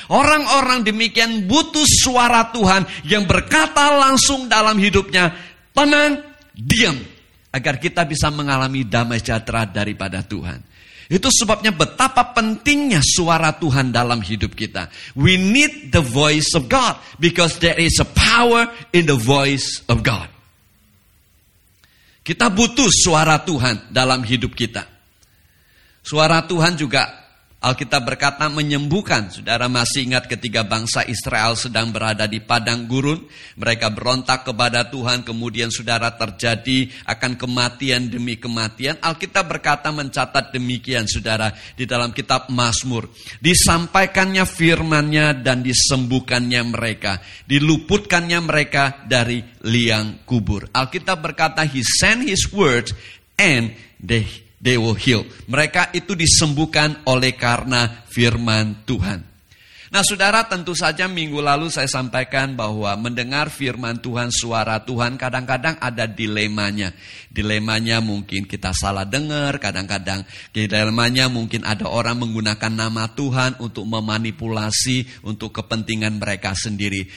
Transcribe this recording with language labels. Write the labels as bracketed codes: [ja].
[id] Orang-orang demikian butuh suara Tuhan yang berkata langsung dalam hidupnya, tenang, diam. Agar kita bisa mengalami damai sejahtera daripada Tuhan. Itu sebabnya betapa pentingnya suara Tuhan dalam hidup kita. [en] We need the voice of God because there is a power in the voice of God. [id] Kita butuh suara Tuhan dalam hidup kita. Suara Tuhan juga Alkitab berkata menyembuhkan. Saudara masih ingat ketika bangsa Israel sedang berada di padang gurun. Mereka berontak kepada Tuhan. Kemudian saudara terjadi akan kematian demi kematian. Alkitab berkata mencatat demikian saudara di dalam kitab Mazmur. Disampaikannya firman-Nya dan disembuhkannya mereka. Diluputkannya mereka dari liang kubur. Alkitab berkata [en] he sent his word and they will heal. [id] Mereka itu disembuhkan oleh karena firman Tuhan. Nah saudara, tentu saja minggu lalu saya sampaikan bahwa mendengar firman Tuhan, suara Tuhan, kadang-kadang ada dilemanya. Dilemanya mungkin kita salah dengar, kadang-kadang dilemanya mungkin ada orang menggunakan nama Tuhan untuk memanipulasi untuk kepentingan mereka sendiri.